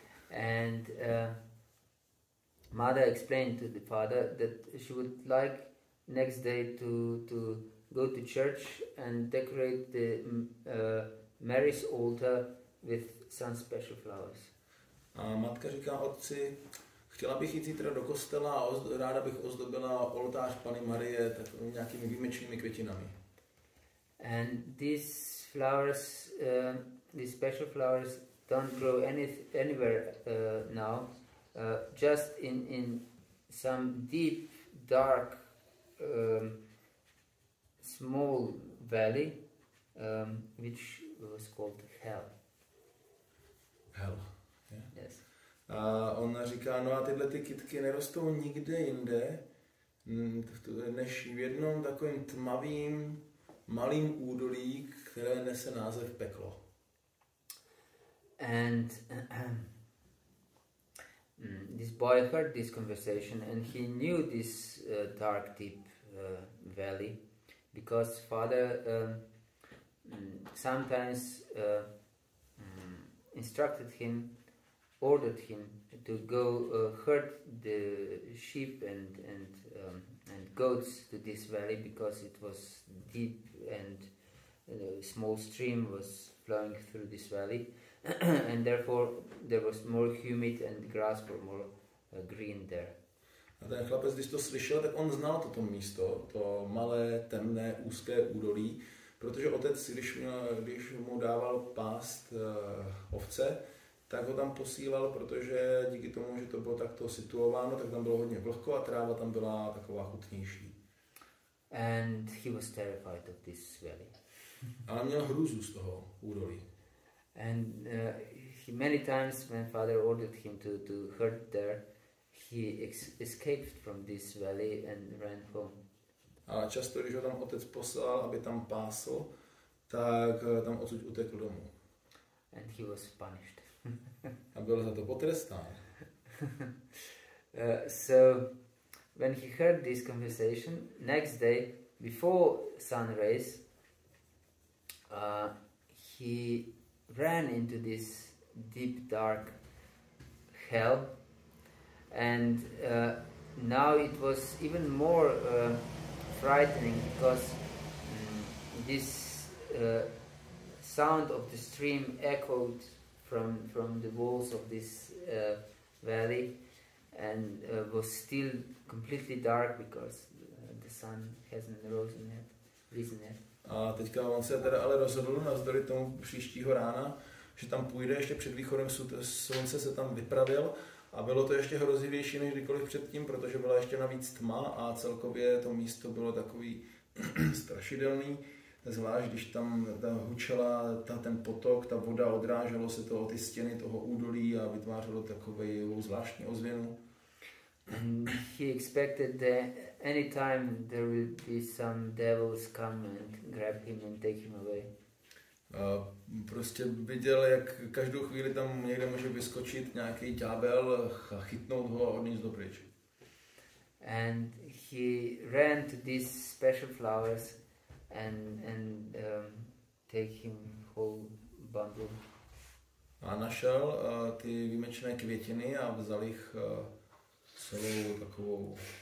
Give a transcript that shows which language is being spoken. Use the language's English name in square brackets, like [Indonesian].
[English] And mother explained to the father that she would like next day to go to church and decorate the Mary's altar with some special flowers. [Czech] A matka říká otci, chtěla bych jít zítra do kostela a ráda bych ozdobila oltář Panny Marie takovými nějakými výjimečnými květinami. [English] And these flowers these special flowers don't grow anywhere now, just in some deep, dark, small valley, which was called Hell. Hell, yeah. Yes. [Czech] A ona říká, no a tyhle ty kytky nerostou nikde jinde, než v jednom takovým tmavým, malým údolí, které nese název Peklo. [English] And this boy heard this conversation and he knew this dark, deep valley because father sometimes instructed him, ordered him to go herd the sheep and goats to this valley because it was deep and a small stream was flowing through this valley. And therefore there was more humid and grass were more green there. [Czech] A ten chlapec, když to slyšel, tak on znal toto místo, to malé, temné, úzké údolí, protože otec, když mu dával pást ovce, tak ho tam posílal, protože díky tomu, že to bylo takto situováno, tak tam bylo hodně vlhko a tráva tam byla taková chutnější. [English] And he was terrified of this valley. [Czech] Ale měl hrůzu z toho údolí. [English] And he many times when father ordered him to hurt there, he escaped from this valley and ran home. [Czech] A často, když ho tam otec poslal, aby tam pásl, tak tam odsud utekl domů. [English] And he was punished. [Czech] A byl za to potrestán. [English] So when he heard this conversation, next day before sunrise, he ran into this deep dark hell, and now it was even more frightening because this sound of the stream echoed from the walls of this valley, and was still completely dark because the sun hasn't risen yet. [Czech] A teďka on se teda ale rozhodl navzdory tomu příštího rána, že tam půjde ještě před východem slunce, se tam vypravil a bylo to ještě hrozivější než kdykoliv předtím, protože byla ještě navíc tma a celkově to místo bylo takový strašidelný, zvlášť když tam ta hučela, ten potok, ta voda, odráželo se to o ty stěny toho údolí a vytvářelo takovej zvláštní ozvěnu. [English] He expected that any time there will be some devils come and grab him and take him away. [Czech] Prostě viděl, jak každou chvíli tam někde může vyskočit nějaký ďábel, chytnout ho a odnést ho pryč. [English] And he ran to these special flowers and take him whole bundle. [Czech] A našel ty výjimečné květiny a vzal jich celou takovou